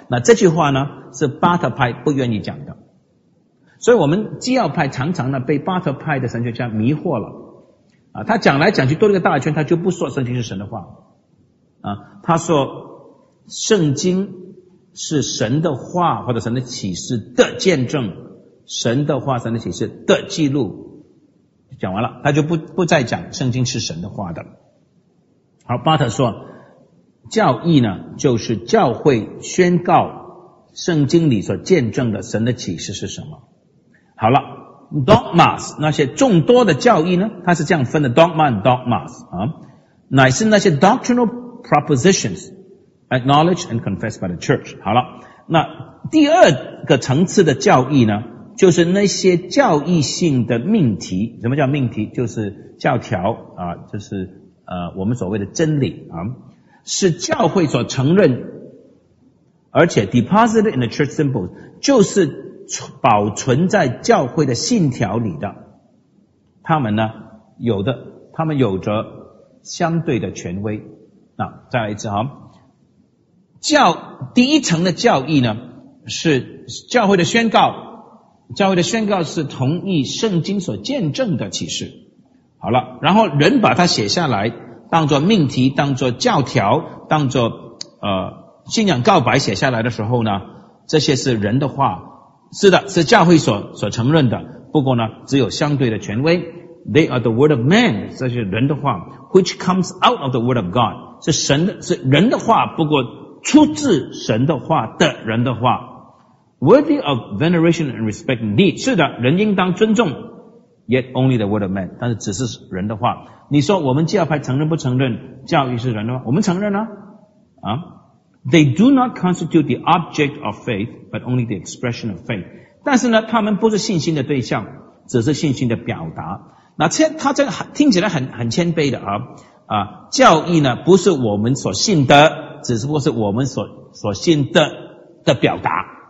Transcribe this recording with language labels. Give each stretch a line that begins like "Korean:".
Chinese: 那这句话呢，是巴特派不愿意讲的。所以我们基要派常常呢被巴特派的神学家迷惑了啊，他讲来讲去兜了个大圈，他就不说圣经是神的话啊，他说圣经是神的话或者神的启示的见证，神的话神的启示的记录，讲完了，他就不再讲圣经是神的话的。好，巴特说教义呢，就是教会宣告圣经里所见证的神的启示是什么。好了， dogmas 那些众多的教义呢，它是这样分的， dogma and dogmas 啊，乃是那些
English: doctrinal propositions acknowledged and confessed by the church。
Chinese: 好了，那第二个层次的教义呢，就是那些教义性的命题。什么叫命题？就是教条啊，就是我们所谓的真理啊，是教会所承认而且
English: deposited in the church symbols，
Chinese: 就是保存在教会的信条里的，他们呢有的，他们有着相对的权威。那再来一次哈，教第一层的教义呢是教会的宣告，教会的宣告是同意圣经所见证的启示。好了，然后人把它写下来，当作命题，当作教条，当作信仰告白写下来的时候呢，这些是人的话，是的，是教会所承认的，不过呢只有相对的权威。
English: They are the word of man，
Chinese: 这是人的话，
English: which comes out of the word of God，
Chinese: 是神的，是人的话，不过出自神的话的人的话。
English: Worthy of veneration and respect indeed，
Chinese: 是的，人应当尊重，
English: yet only the word of man，
Chinese: 但是只是人的话。你说我们基要派承认不承认教义是人的话？我们承认啊。
English: 啊，They do not constitute the object of faith, but only the expression of faith.
Chinese: 但是呢，他们不是信心的对象，只是信心的表达。那他这个听起来很谦卑的啊，教义呢不是我们所信的，只不过是我们所信的表达。